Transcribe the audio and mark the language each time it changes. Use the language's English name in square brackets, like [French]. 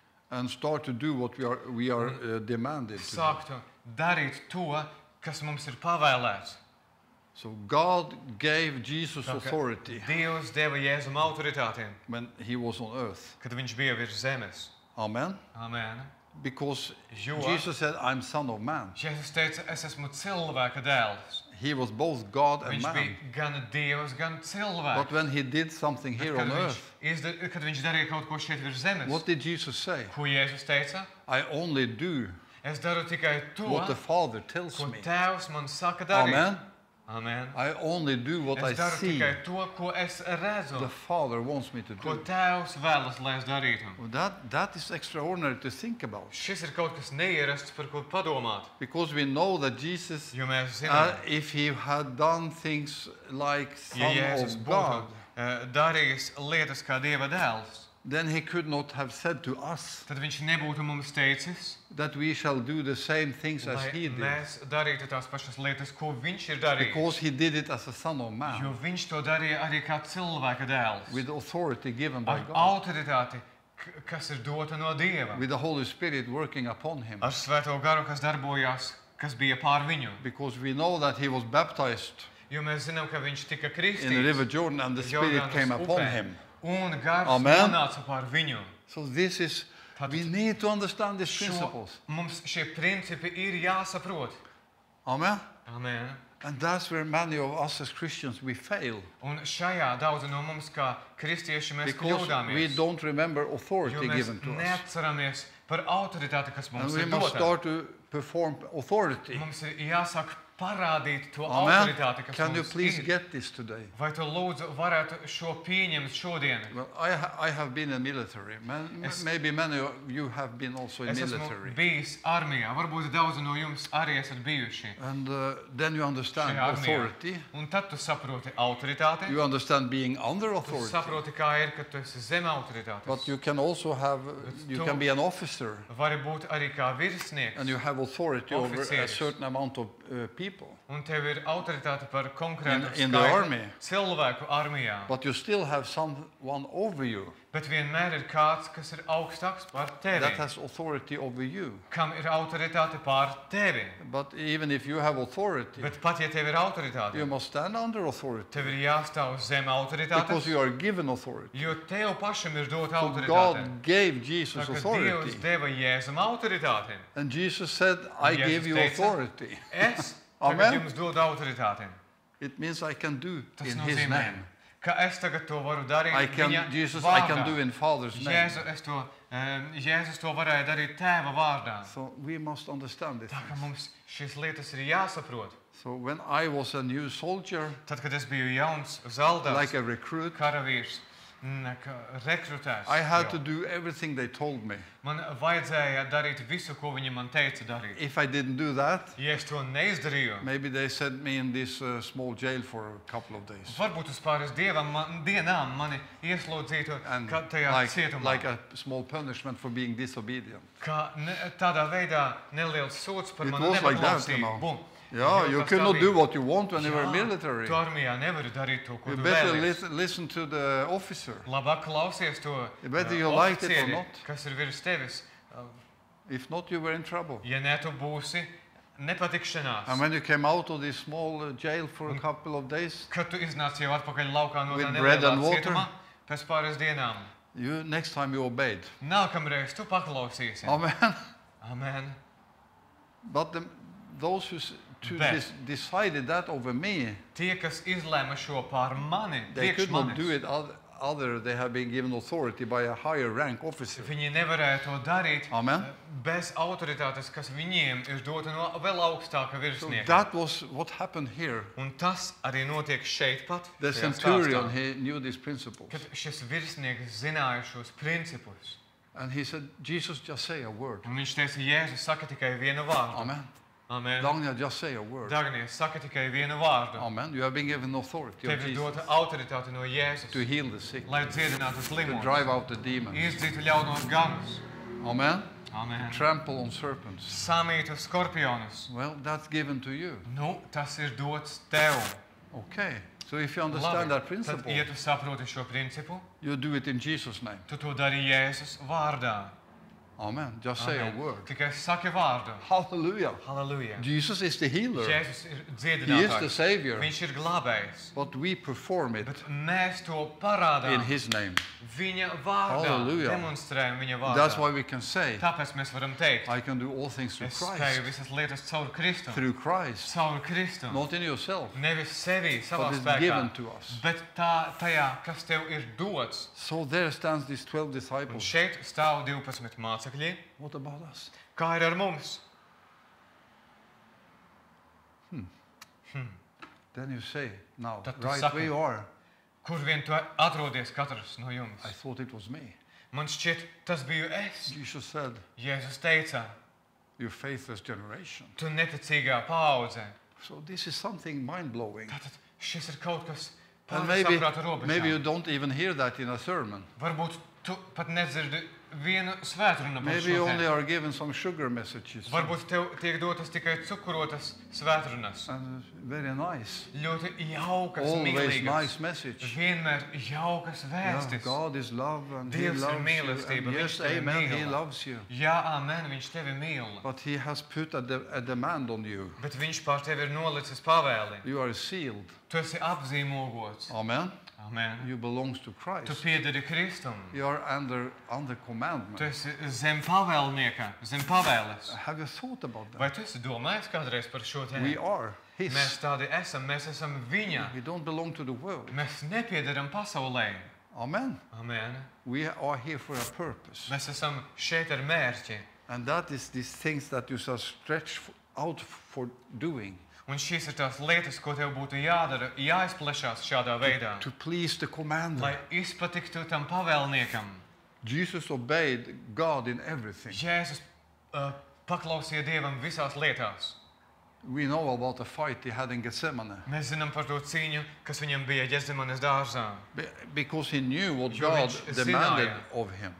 [English] And start to do what we are demanded. [Latvian] Sāktu darīt to, kas mums ir pavēlēts. [English] So God gave Jesus authority. [Latvian] Dievs deva Jēzum autoritāti. [English] When he was on earth. [Latvian] Kad viņš bija virs zemes. [English] Amen. [Latvian] Amen. [English] Because Jesus said, I'm son of man. [Latvian] Jēzus teica, es esmu cilvēka dēls. [English] He was both God and man. [Latvian] Viņš bija gan Dievs, gan cilvēks. [English] But when he did something here on earth. [Latvian] Kad viņš darīja kaut ko šeit virs zemes. [English] What did Jesus say? [Latvian] Ko Jēzus teica? [English] I only do. [Latvian] Es daru tikai to. [English] What the Father tells me. [Latvian] Ko Tēvs man saka darīt. [English] Amen. [Latvian] Amen. [English] I only do what I see. [Latvian] Es daru tikai to, ko es redzu. [English] The Father wants me to do. [Latvian] Ko Tēvs vēlas, lai es darītu. [English] Well, that is extraordinary to think about. [Latvian] Šis ir kaut kas neierasts, par ko padomāt. [English] Because we know that Jesus, [Latvian] jo mēs zinām, [English] if he had done things like Son [Latvian] ja Jēzus [English] of [Latvian] būtu, [English] God, [Latvian] darījis lietas kā Dieva dēls, [English] then he could not have said to us [Latvian] tad viņš nebūtu mums teicis, [English] that we shall do the same things as he did. [Latvian] Mēs darītu tās pašas lietas, ko viņš ir darījis. [English] Because he did it as a son of man. [Latvian] Jo viņš to darīja arī kā cilvēka dēls. [English] With authority given by God. [Latvian] Ar autoritāti, kas ir dota no Dieva. [English] With the Holy Spirit working upon him. [Latvian] Ar Svēto Garu, kas darbojās, kas bija pār viņu. [English] Because we know that he was baptized [Latvian] jo mēs zinām, ka viņš tika kristīts [English] in the River Jordan and the Spirit came upon him. [Latvian] Un Gars nonāca par viņu. [English] So this is, we need to understand these principles. [Latvian] Mums šie principi ir jāsaprot. [English] Amen. [Latvian] Amen. [English] And that's where many of us as Christians we fail. [Latvian] Un šajā daudz no mums kā kristieši mēs kļūdāmies. [English] We don't remember authority given to us. [Latvian] Jo mēs neatceramies par autoritāti, kas mums ir dota. [English] And we must start to perform authority. [Latvian] Mums ir jāsāk parādīt to autoritāti, kas [English] Can [Latvian] mums [English] you please [Latvian] ir. [English] Get this today? [Latvian] Vai tu lūdzu varētu šo pieņemt šodien? [English] Well, I have been in military. Maybe many of you have been also in military. [Latvian] Es esmu bijis armijā. Varbūt daudz no jums arī esat bijuši. [English] And then you understand authority. [Latvian] Un tad tu saproti autoritāti. [English] You understand being under authority. [Latvian] Tu saproti, kā ir, ka tu esi zem autoritātes. [English] But you can also have, you can be an officer. [Latvian] Vari būt arī kā virsnieks. [English] And you have authority [Latvian] Oficieris. [English] Over a certain amount of [Latvian] Un tev ir autoritāte par konkrētu skaitu cilvēku armijā. [English] But you still have someone over you. [Latvian] Bet vienmēr ir kāds, kas ir augstāks par tevi. [English] That has authority over you. [Latvian] Kam ir autoritāte pār tevi. [English] But even if you have authority. [Latvian] Bet pat ja tev ir autoritāte. [English] You must stand under authority. [Latvian] Tev ir jāstāv zem autoritātes. [English] Because you are given authority. [Latvian] Jo tev pašam ir dota autoritāte. [English] God gave Jesus authority. [Latvian] Tā kā Dievs deva Jēzum autoritāti. [English] And Jesus said, I give you authority. [Latvian] Es tagad jums dodu autoritāti. [English] It means I can do [Latvian] Tas [English] in his name. [Latvian] Ka es tagad to varu darīt [English] I can, [Latvian] viņa [English] Jesus, [Latvian] vārdā. [English] I can do in Father's name. [Latvian] Jēzus to varēja darīt tēva vārdā. [English] So we must understand this. [Latvian] Tā ka mums šīs lietas ir jāsaprot. [English] So when I was a new soldier, [Latvian] tad, kad es biju jauns zeldās, [English] like a recruit, [Latvian] karavīrs, rekrutēs. [English] I had to do everything they told me. [Latvian] Man vajadzēja darīt visu, ko viņi man teica darīt. [English] If I didn't do that, [Latvian] ja es to neizdarīju, [English] maybe they sent me in this small jail for a couple of days. [Latvian] Varbūt uz pāris dienām mani ieslodzītu tajā cietumā. [English] Like a small punishment for being disobedient. [Latvian] Kā tādā veidā neliels sots par [English] It [Latvian] mani nepaklausību. [English] Yeah, you could not do what you want when you were military. [Latvian] Tu armijā nevari darīt to, ko [English] you better listen to the officer. [Latvian] Labāk klausies to oficieri, kas ir virs tevis. [English] If not, you were in trouble. [Latvian] Ja ne, tu būsi nepatikšanās. [English] And when you came out of this small jail for a couple of days, [Latvian] kad tu iznāci jau atpakaļ laukā no [English] with bread and water, [Latvian] pēc pāris dienām, [English] you, next time you obeyed. [Latvian] Nākamreiz tu paklausīsi. [English] Amen. [Latvian] Amen. [English] But the, those who... To this decided that over me. [Latvian] Tie, kas izlēma šo par mani, [English] they could not do it other they have been given authority by a higher rank officer. [Latvian] Viņi nevarēja to darīt [English] Amen. [Latvian] Bez autoritātes, kas viņiem ir dota no vēl augstāka virsnieka. [English] So that was what happened here. [Latvian] Un tas arī notiek šeit pat. [English] The centurion, he knew these principles. [Latvian] Kad šis virsnieks zināja šos principus. [English] And he said, Jesus, just say a word. [Latvian] Un viņš teica, Jēzus, saka tikai vienu vārdu. [English] Amen. [Latvian] Amen. [English] Dagnija, just say a word. [Latvian] Dagnija, saka tikai vienu vārdu. [English] Amen. You have been given authority. [Latvian] Tev ir dota autoritāte no Jēzus. [English] To heal the sick. [Latvian] Lai dziedinātu slimos. [English] To drive out the demons. [Latvian] Izdzīt ļaunos ganus. [English] Amen. [Latvian] Amen. [English] To trample on serpents. [Latvian] Samīt uz skorpionus. [English] Well, that's given to you. [Latvian] Nu, tas ir dots tev. [English] Okay. So if you understand [Latvian] Labi. [English] That principle, [Latvian] tad, ja tu saproti šo principu, [English] you do it in Jesus' name. [Latvian] Tu to dari Jēzus vārdā. [English] Amen. Just Amen. Say a word. [Latvian] Tikai saki vārdu. [English] Hallelujah. [Latvian] Hallelujah. [English] Jesus is the healer. [Latvian] Jēzus ir dziedinātājs. [English] He is the savior. [Latvian] Viņš ir glābējs. [English] But we perform it. [Latvian] Bet mēs to parādām. [English] In his name. [Latvian] Viņa vārdā. [English] Hallelujah. [Latvian] Demonstrējam viņa vārdā. [English] That's why we can say. [Latvian] Tāpēc mēs varam teikt. [English] I can do all things through Christ. [Latvian] Es spēju visas lietas caur Kristu. [English] Through Christ. [Latvian] Caur Kristu. [English] Not in yourself. [Latvian] Nevis sevi, savā [English] but [Latvian] spēkā. [English] But given to us. [Latvian] Bet tā, tajā, kas tev ir dots. [English] So there stands these 12 disciples. [Latvian] Un šeit stāv 12 mācekļi. [English] What about us? [Latvian] Kā ir ar mums? [English] Then you say, now, [Latvian] Tad [English] right [Latvian] saka, [English] where you are. [Latvian] Kur vien tu atrodies katrs no jums? [English] I thought it was me. [Latvian] Man šķiet, tas biju es. [English] Jesus said, [Latvian] Jēzus teica, [English] your faithless generation. [Latvian] Tu neticīgā paaudze. [English] So this is something mind-blowing. [Latvian] Tātad šis ir kaut kas pārsaprāta robežām. [English] Maybe you don't even hear that in a sermon. [Latvian] Varbūt tu pat nedzirdi, Vienu svētruna par [English] Maybe you only are given some sugar messages. [Latvian] Varbūt tev tiek dotas tikai cukurotas svētrunas. [English] And very nice. [Latvian] Ļoti jaukas, [English] Always nice message. [Latvian] Vienmēr jaukas vēstis. [English] Yeah, God is love and [Latvian] Dievs [English] he loves [Latvian] ir mīlestība. [English] You. Yes, amen, [Latvian] mīla. [English] He loves you. [Latvian] Jā, amen, viņš tevi mīl. [English] But he has put a demand on you. [Latvian] Bet viņš pār tevi ir nolicis pavēli. [English] You are sealed. [Latvian] Tu esi apzīmogots. [English] Amen. [Latvian] Amen. [English] You belongs to Christ. [Latvian] Tu piederi Kristum. [English] You are under commandment. [Latvian] Tu esi zem pavēlnieka, zem pavēles. [English] Have you thought about that? [Latvian] Vai tu esi domājis kādreiz par šo tēmu? [English] We are. his. [Latvian] Mēs tādi esam, mēs esam viņa. [English] We don't belong to the world. [Latvian] Mēs nepiederam pasaulē. [English] Amen. [Latvian] Amen. [English] We are here for a purpose. [Latvian] Mēs esam šeit ar mērķi. [English] And that is these things that you shall stretch out for doing. [Latvian] Un šīs ir tās lietas, ko tev būtu jādara, jāizplešās šādā veidā. [English] To please the commander. [Latvian] Lai izpatiktu tam pavēlniekam. [English] Jesus obeyed God in everything. [Latvian] Jēzus paklausīja Dievam visās lietās. [English] We know about the fight he had in Gethsemane. [Latvian] Mēs zinām par to cīņu, kas viņam bija Gethsemanes dārzā. [English] Because he knew what God demanded of him.